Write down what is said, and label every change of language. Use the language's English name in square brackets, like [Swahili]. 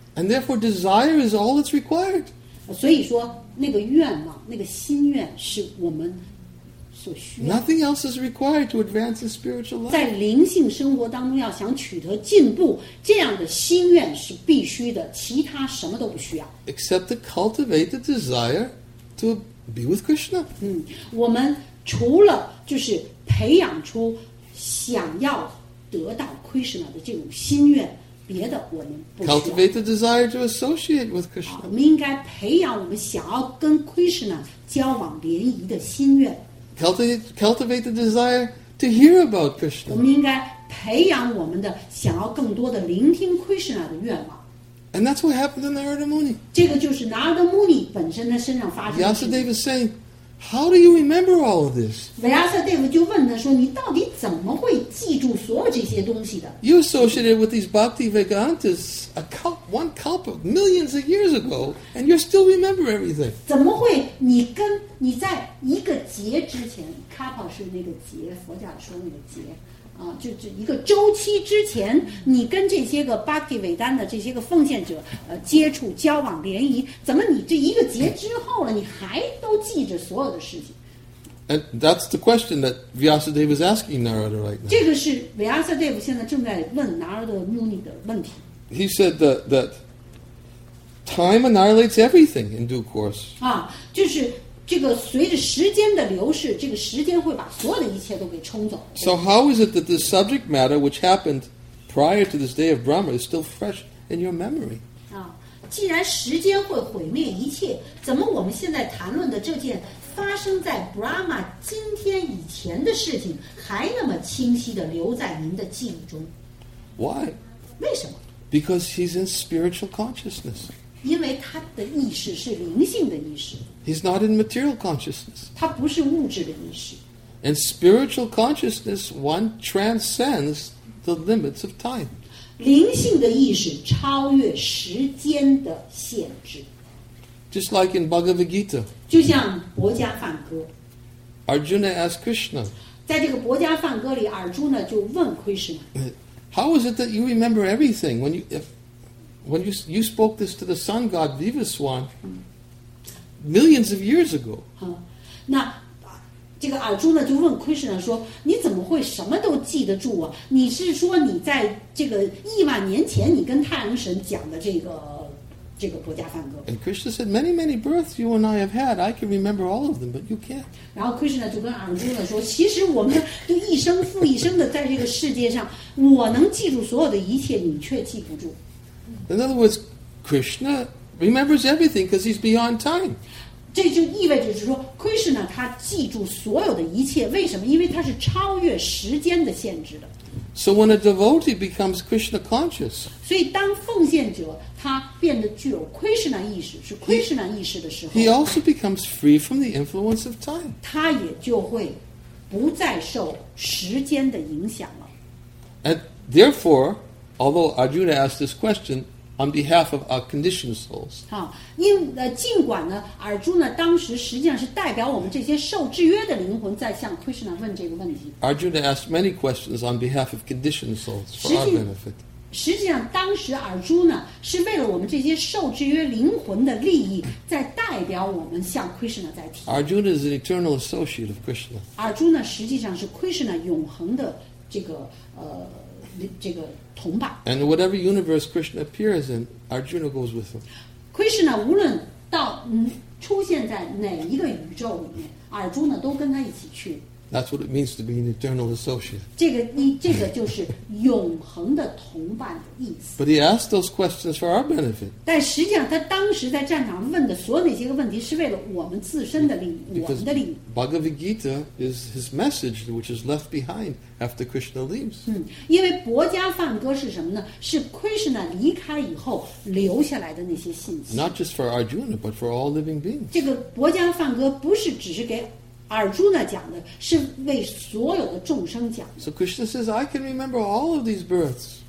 [English] And therefore, desire is all that's required. [Chinese] 所以说，那个愿望，那个心愿是我们。 [English] Nothing else is required to advance in spiritual life. [Chinese] 在灵性生活当中，要想取得进步，这样的心愿是必须的，其他什么都不需要。 [English] Except to cultivate the desire to be with Krishna. [Chinese] 嗯，我们除了就是培养出想要得到 Krishna 的这种心愿，别的我们不需要。 [English] Cultivate the desire to associate with Krishna. [Chinese] 我们应该培养我们想要跟 Krishna 交往联谊的心愿。 [English] Cultivate the desire to hear about Krishna. [Chinese] 我们应该培养我们的想要更多的聆听 Krishna 的愿望。 [English] And that's what happened to Narada Muni. [Chinese] 这个就是 Narada Muni 本身的身上发生的。 [English] Vyasadeva saying, "How do you remember all of this?" [Chinese] Vyasadeva 就问他说，你到底怎么会记住所有这些东西的？ [English] You associated with these Bhakti Vedantas one kalpa millions of years ago, and you still remember everything. [Chinese] 怎么会你跟你在一个劫之前 ，kapa 是那个劫，佛教说那个劫，啊，就一个周期之前，你跟这些个巴提韦丹的这些个奉献者，接触、交往、联谊，怎么你这一个劫之后了，你还都记着所有的事情 [English] ？And that's the question that Vyasadeva is asking Narada right now. [Chinese] 这个是 Vyasadeva 现在正在问 Narada Muni 的问题。 [English] He said that time annihilates everything in due course. [Chinese] 啊，就是。这个随着时间的流逝，这个时间会把所有的一切都给冲走。 [English] So how is it that the subject matter which happened prior to this day of Brahma is still fresh in your memory? [Chinese] 啊，既然时间会毁灭一切，怎么我们现在谈论的这件发生在 Brahma 今天以前的事情还那么清晰地留在您的记忆中？ [English] Why? [Chinese] 为什么？ [English] Because he's in spiritual consciousness. [Chinese] 因为他的意识是灵性的意识。 [English] He's not in material consciousness. [Chinese] 他不是物质的意识。 [English] In spiritual consciousness, one transcends the limits of time. [Chinese] 灵性的意识超越时间的限制。 [English] Just like in Bhagavad Gita. [Chinese] 就像博迦梵歌。 [English] Arjuna asked Krishna. [Chinese] 在这个博迦梵歌里，阿朱呢就问 Krishna. [English] How is it that you remember everything when you spoke this to the sun god Vivaswan? Millions of years ago. [Chinese] 嗯，那这个尔朱呢就问 Krishna 说：“你怎么会什么都记得住啊？你是说你在这个亿万年前你跟太阳神讲的这个博迦梵歌 [English] ？”And Krishna said, "Many, many births you and I have had. I can remember all of them, but you can't." [Chinese] 然后 Krishna 就跟尔朱呢说：“其实我们就一生复一生的在这个世界上，我能记住所有的一切，你却记不住。 [English] ”In other words, Krishna remembers everything because he's beyond time. [Chinese] 这就意味着是说 ，Krishna 他记住所有的一切，为什么？因为他是超越时间的限制的。 [English] So when a devotee becomes Krishna conscious, [Chinese] 所以当奉献者他变得具有 Krishna 意识，是 Krishna 意识的时候 [English] ，he also becomes free from the influence of time. [Chinese] 他也就会不再受时间的影响了。 [English] And therefore, although Arjuna asked this question. On behalf of our conditioned souls. [Chinese] 好，因尽管呢，尔朱呢，当时实际上是代表我们这些受制约的灵魂在向 Krishna 问这个问题。 [English] Arjuna asked many questions on behalf of conditioned souls for our benefit. [Chinese] 实际上当时尔朱呢是为了我们这些受制约灵魂的利益在代表我们向 Krishna 在提 [English] Arjuna is an eternal associate of Krishna [Chinese] 尔朱呢实际上是 Krishna 永恒的这个这个同伴 [English] and whatever universe Krishna appears in Arjuna goes with him [Chinese] Krishna 无论到出现在哪一个宇宙里面尔朱呢都跟他一起去 [English] That's what it means to be an eternal associate. [Chinese] 这个就是永恒的同伴的意思。 [English] But he asked those questions for our benefit. [Chinese] 但实际上，他当时在战场问的所有那些个问题，是为了我们自身的利益，我们的利益。 [English] Bhagavad Gita is his message, which is left behind after Krishna leaves. [Chinese] 因为薄伽梵歌是什么呢？是 Krishna 离开以后留下来的那些信息。 [English] Not just for Arjuna, but for all living beings. [Chinese] 这个薄伽梵歌不是只是给尔朱呢讲的是为所有的众生讲的。 [English] So Krishna says, I can remember all of these births.